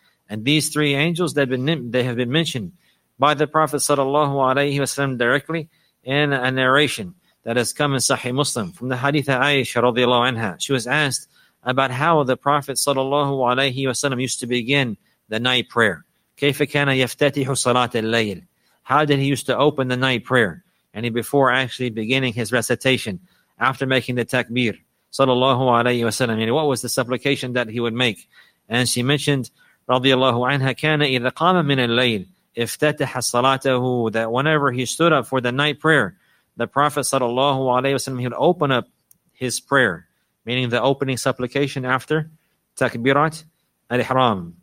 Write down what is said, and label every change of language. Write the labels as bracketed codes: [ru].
[en] And these three angels, they have been mentioned by the Prophet sallallahu alaihi wasallam directly in a narration that has come in Sahih Muslim from the Haditha Aisha radiallahu anha. She was asked about how the Prophet sallallahu alaihi wasallam used to begin the night prayer. [ar] كيف كان يفتتح صلاة الليل? [en] How did he used to open the night prayer? And before actually beginning his recitation, after making the takbir sallallahu alaihi wasallam, what was the supplication that he would make? And she mentioned, radiallahu anha, [ar] كان إذا قام من الليل افتتح صلاته, [en] that whenever he stood up for the night prayer, the Prophet sallallahu alayhi wa sallam, he would open up his prayer, meaning the opening supplication after takbirat al-ihram.